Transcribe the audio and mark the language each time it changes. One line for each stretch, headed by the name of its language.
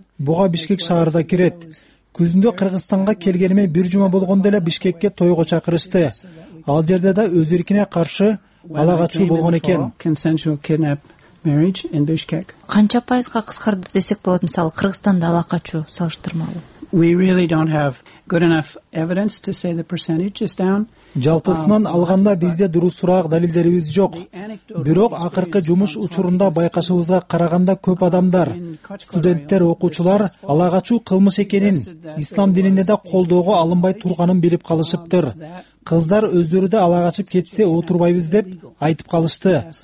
Kyrgyz: Буга Бишкек шаары да кирет. Күзүндө Кыргызстанга келгениме бир жума болгондо эле Бишкекке тойго чакырышты. Ал жерде да өз эркине каршы ала качуу болгон экен. Канча пайызга кыскарды десек болот, мисалы Кыргызстанда ала качуу салыштырмалуу?
English: We really don't have good enough evidence to say the percentage is down.
Kyrgyz: Жалпысынан алганда бизде дурусураак далилдерибиз жок. Бирок акыркы жумуш учурунда байкашыбызга караганда көп адамдар, студенттер, окуучулар ала качуу кылмыш экенин, ислам дининде да колдоого алынбай турганын билип калышыптыр. Кыздар өздөрү да ала качып кетсе отурбайбыз деп айтып калышты.